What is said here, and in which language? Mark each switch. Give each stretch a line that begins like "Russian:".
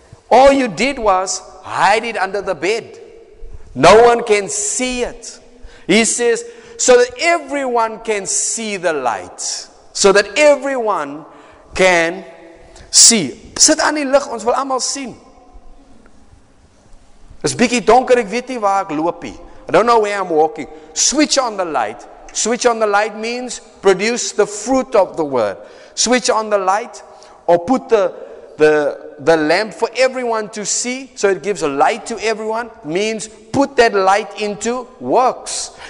English: All you did was hide it under the bed. No one can see it. He says, so that everyone can see the light. So that everyone can see.
Afrikaans: Sit aan die lig, ons wil allemaal sien. It's bietjie donker, ek weet nie waar ek loop nie.
English: I don't know where I'm walking. Switch on the light. Switch on the light means produce the fruit of the word. Switch on the light or put the lamp for everyone to see. So it gives light to everyone. Means put that light into works.